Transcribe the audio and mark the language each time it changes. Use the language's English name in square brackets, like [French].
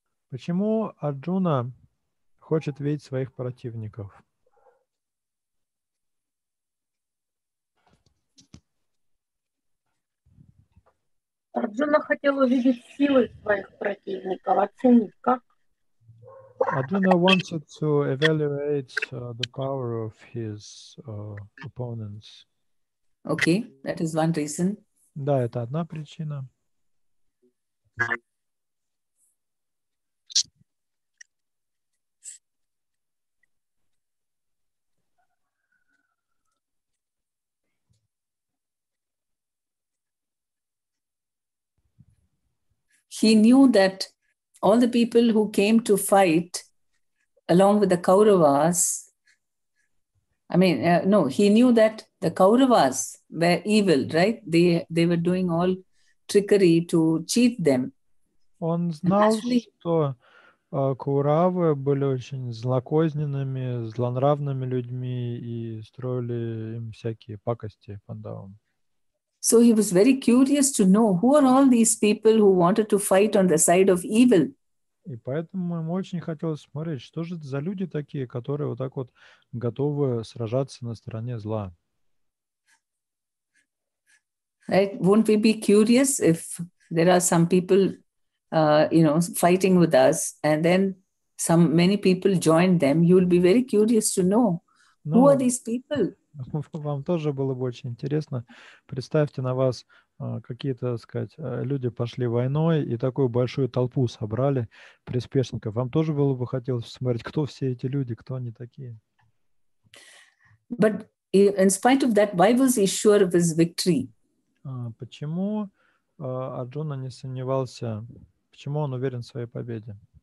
[Russian] Почему Арджуна хочет видеть своих противников? Арджуна хотел увидеть силы своих противников, оценить как? [English] Арджуна wanted to evaluate the power of his opponents. Okay, that is one reason. [Russian] Да, это одна причина. [English] He knew that all the people who came to fight along with the Kauravas, he knew that the Kauravas were evil, right? They were doing all trickery to cheat them. [Russian] Он знал, что Кауравы были очень злокозненными, злонравными людьми и строили им всякие пакости пандавам. [English] So he was very curious to know who are all these people who wanted to fight on the side of evil. [Russian] И поэтому ему очень хотелось смотреть, что же это за люди такие, которые вот так вот готовы сражаться на стороне зла. [English] Right? Won't we be curious if there are some people, fighting with us, and then many people join them? You will be very curious to know who are these people. [Russian] Вам тоже было бы очень интересно. Представьте, на вас какие-то, так сказать, люди пошли войной и такую большую толпу собрали приспешников. Вам тоже было бы хотелось смотреть, кто все эти люди, кто они такие. [English] But in spite of that, why was he sure of his victory? [Russian] Почему Арджуна не сомневался? Почему он уверен в своей победе?